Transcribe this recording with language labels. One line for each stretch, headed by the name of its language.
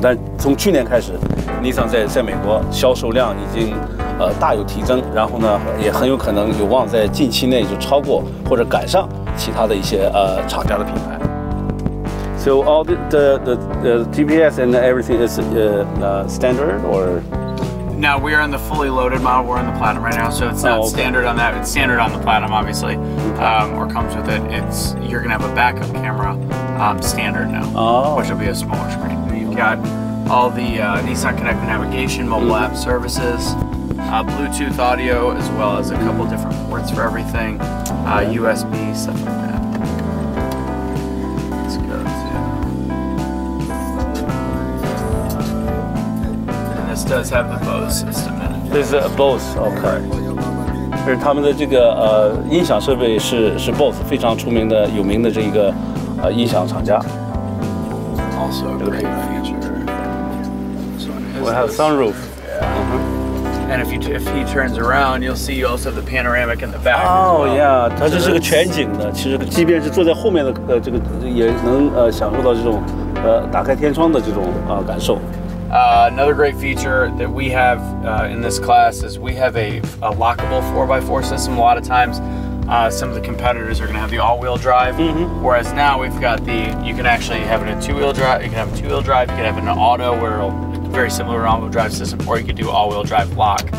Chinese: 但从去年开始，Nissan 在美国销售量已经大有提升，然后呢也很有可能有望在近期内就超过或者赶上其他的一些厂家的品牌。
English: So all the GPS and everything is standard or now we are in the fully loaded model. We're in the Platinum right now, so it's not standard on that. It's standard on the Platinum, obviously, or comes with it. It's you're gonna have a backup camera standard now, which will be a smaller screen. You've got all the Nissan Connected navigation, mobile app services, Bluetooth audio, as well as a couple different ports for everything, USB, stuff like that. Let's go to... And this does have the Bose system in it. This is a Bose, okay. Just
Chinese: 他们的这个音响设备是 Bose 非常出名的有名的这一个音响厂家。
English: Also a great feature. This we'll have sunroof. Yeah. And if he turns around, you'll see you also have the panoramic in the back. Oh, well.
Chinese: Yeah, 它这是个全景的。其实，即便是坐在后面的这个，也能享受到这种打开天窗的这种感受。
English: Another great feature that we have in this class is we have a lockable 4x4 system. A lot of times, some of the competitors are going to have the all-wheel drive, whereas now we've got the you can actually have it in two-wheel drive. You can have a two-wheel drive. You can have an auto where it'll. Very similar to all-wheel drive system, or you could do all-wheel drive lock.